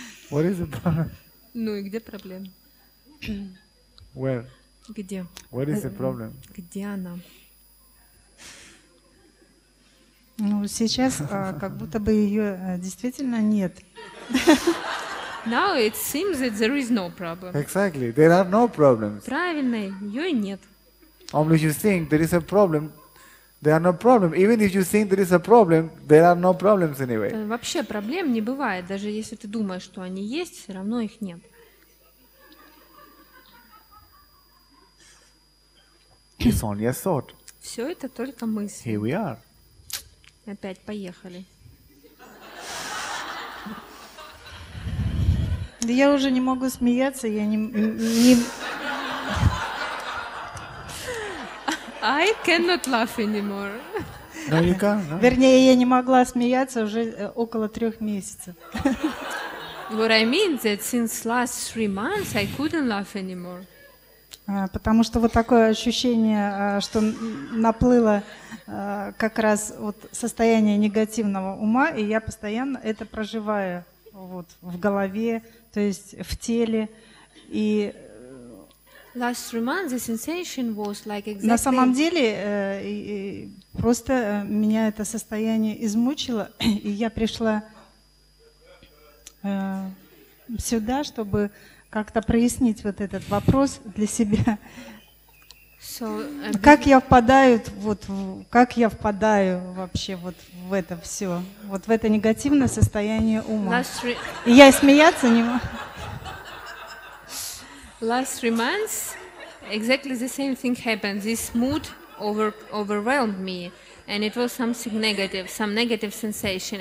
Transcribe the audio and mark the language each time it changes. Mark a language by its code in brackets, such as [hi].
[en] What is the problem? [ru] Ну и где проблема? [en] Where? [ru] Где? [en] What is the problem? [ru] Где она? Ну, сейчас как будто бы ее действительно нет. [en] Now it seems that there is no problem. Exactly. There are no problems. [ru] Правильно, ее и нет. [en] Only if you think there is a problem, there are no problems. Even if you think there is a problem, there are no problems anyway. [ru] Вообще проблем не бывает. Даже если ты думаешь, что они есть, все равно их нет. [en] It's only a thought. [ru] Все это только мысль. [en] Here we are. [ru] Опять поехали. Да я уже не могу смеяться, я не. [en] I cannot laugh anymore. No, you can't, no? [ru] Вернее, я не могла смеяться уже около трех месяцев. [en] What I mean that since last three months I couldn't laugh anymore. [ru] Потому что вот такое ощущение, что наплыло как раз вот состояние негативного ума, и я постоянно это проживаю вот, в голове, то есть в теле. И [en] last three months, the sensation was like exactly... [ru] на самом деле просто меня это состояние измучило, и я пришла сюда, чтобы как-то прояснить вот этот вопрос для себя. [en] So, [ru] как я впадаю, вот, как я впадаю вообще вот в это все, вот в это негативное состояние ума. И я смеяться не могу. [en] Last three months, exactly the same thing happened. This mood overwhelmed me, and it was something negative, some negative sensation.